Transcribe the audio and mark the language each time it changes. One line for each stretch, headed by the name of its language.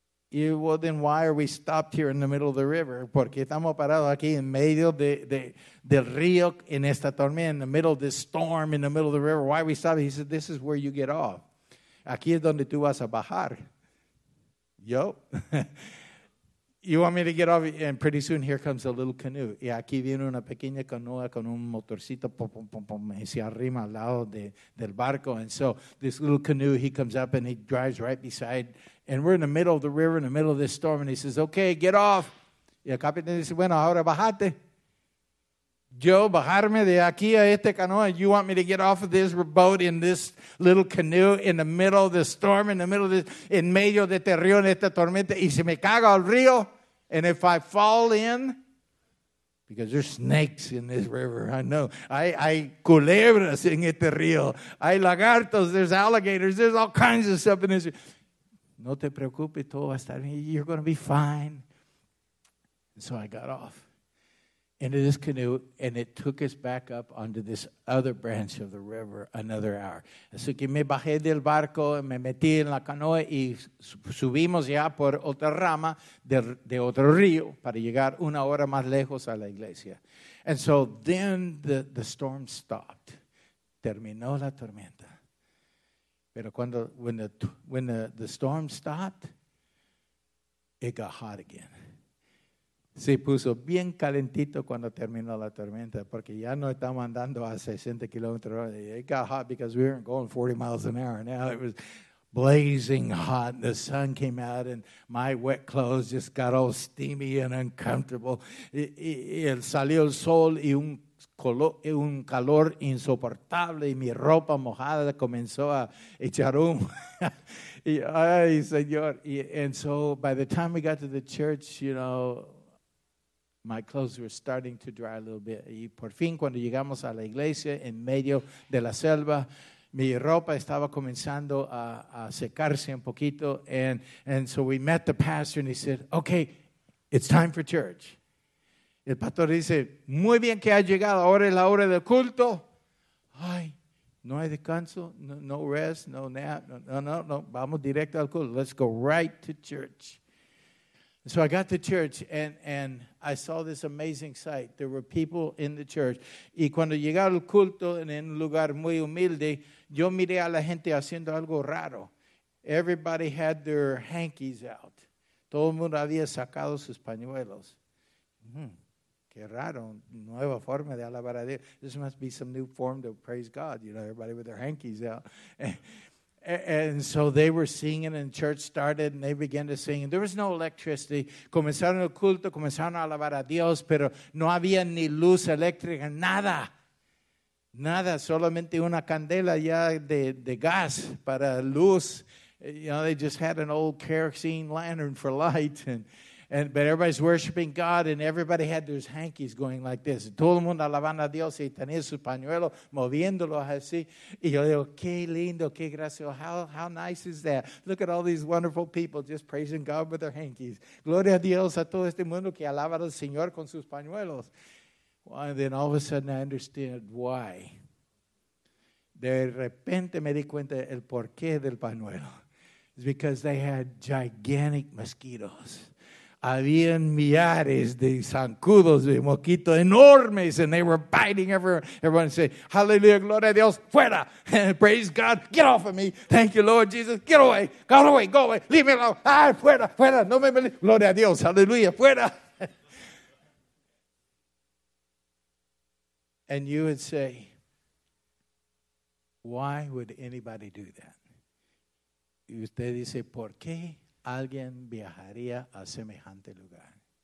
English: Well, then why are we stopped here in the middle of the river?
Spanish: Porque estamos parados aquí en medio del río en esta tormenta,
English: in the middle of this storm, in the middle of the river. Why are we stopped? He said, this is where you get off.
Spanish: Aquí es donde tú vas a bajar.
English: Yo. You want me to get off? And pretty soon here comes a little canoe.
Spanish: Y aquí viene una pequeña canoa con un motorcito. Pum, pum, pum, pum, y se arrima al lado del barco.
English: And so this little canoe, he comes up and he drives right beside. And we're in the middle of the river, in the middle of this storm. And he says, okay, get off.
Spanish: Y el capitán dice, bueno, ahora bajate. Yo, bajarme de aquí a esta canoa.
English: You want me to get off of this boat in this little canoe in the middle of the storm, in the middle of this, in
Spanish: medio de este río, en esta tormenta, y si me cago al río,
English: and if I fall in, because there's snakes in this river, I know.
Spanish: Hay culebras en este río. Hay lagartos,
English: there's alligators, there's all kinds of stuff in this.
Spanish: No te preocupes, todo va a estar bien.
English: You're going to be fine. And so I got off into this canoe, and it took us back up onto this other branch of the river another hour.
Spanish: Así que me bajé del barco, me metí en la canoa, y subimos ya por otra rama de otro río para llegar una hora más lejos a la iglesia.
English: And so then the storm stopped.
Spanish: Terminó la tormenta. Pero cuando
English: when the storm stopped, it got hot again.
Spanish: Se puso bien calentito cuando terminó la tormenta, porque ya no estamos andando a 60 kilómetros.
English: It got hot because we weren't going 40 miles an hour. Now it was blazing hot. The sun came out and my wet clothes just got all steamy and uncomfortable.
Spanish: Y salió el sol y un calor insoportable, y mi ropa mojada comenzó a echar humo. Y, ay, señor.
English: And so by the time we got to the church, you know, my clothes were starting to dry a little bit.
Spanish: Y por fin, cuando llegamos a la iglesia, en medio de la selva, mi ropa estaba comenzando a secarse un poquito.
English: And so we met the pastor, and he said, okay, it's time for church.
Spanish: El pastor dice, muy bien que ha llegado. Ahora es la hora del culto. Ay, no hay descanso,
English: no rest, no nap.
Spanish: No. Vamos directo al culto.
English: Let's go right to church. So I got to church, and I saw this amazing sight. There were people in the church.
Spanish: Y cuando llegué al culto, en un lugar muy humilde, yo miré a la gente haciendo algo raro.
English: Everybody had their hankies out.
Spanish: Todo el mundo había sacado sus pañuelos. Qué raro, nueva forma de alabar a Dios.
English: This must be some new form to praise God. You know, everybody with their hankies out. And so they were singing, and church started, and they began to sing. There was no electricity.
Spanish: Comenzaron el culto, comenzaron a alabar a Dios, pero no había ni luz eléctrica, nada. Nada, solamente una candela ya de gas para luz.
English: You know, they just had an old kerosene lantern for light. But everybody's worshiping God, and everybody had their hankies going like this.
Spanish: Todo el mundo alabando a Dios y tenía su pañuelo moviéndolo así. Y yo digo, qué lindo, qué gracioso.
English: How nice is that? Look at all these wonderful people just praising God with their hankies.
Spanish: Gloria a Dios a todo este mundo que alaba al Señor con sus pañuelos.
English: Well, and then all of a sudden I understood why.
Spanish: De repente me di cuenta el porqué del pañuelo.
English: It's because they had gigantic mosquitoes.
Spanish: Habían millares de zancudos de mosquito enormes,
English: and they were biting everyone. Everyone say, hallelujah,
Spanish: gloria a Dios, fuera.
English: Praise God, get off of me. Thank you, Lord Jesus, get away. Go away, go away, leave me alone.
Spanish: Ah, fuera, fuera, no me mele. Gloria a Dios, hallelujah, fuera.
English: And you would say, why would anybody do that?
Spanish: Y usted dice, ¿por qué alguien viajaría a semejante lugar?